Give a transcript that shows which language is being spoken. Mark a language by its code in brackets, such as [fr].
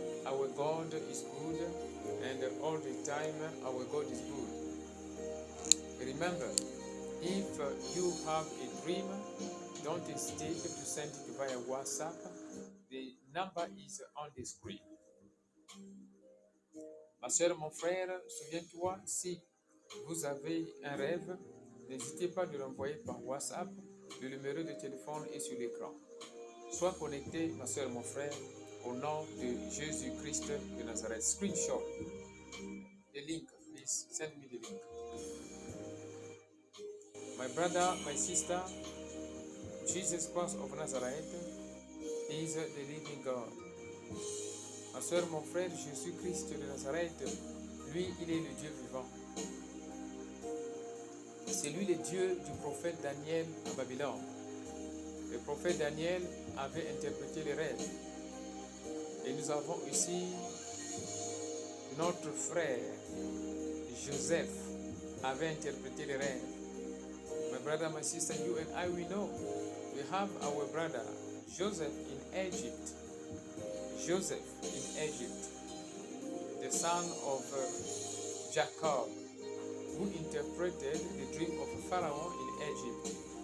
[en] Our God is good, and all the time our God is good. Remember, if you have a dream, don't hesitate to send it via WhatsApp. The number is on the screen. [fr] Ma soeur, mon frère, souviens-toi, si vous avez un rêve, n'hésitez pas de l'envoyer par WhatsApp. Le numéro de téléphone est sur l'écran. Sois connecté, ma soeur, mon frère, au nom de Jésus-Christ de Nazareth. [en] Screenshot. The link, please. Send me the link. My brother, my sister, Jesus Christ of Nazareth is the living God. [fr] Ma soeur, mon frère, Jésus-Christ de Nazareth, lui, il est le Dieu vivant. C'est lui le Dieu du prophète Daniel à Babylone. Le prophète Daniel avait interprété les rêves. Et nous avons ici notre frère Joseph avait interprété les rêves. [en] My brother, my sister, you and I, we know. We have our brother Joseph in Egypt. Joseph in Egypt. the son of Jacob, who interpreted the dream of Pharaoh in Egypt.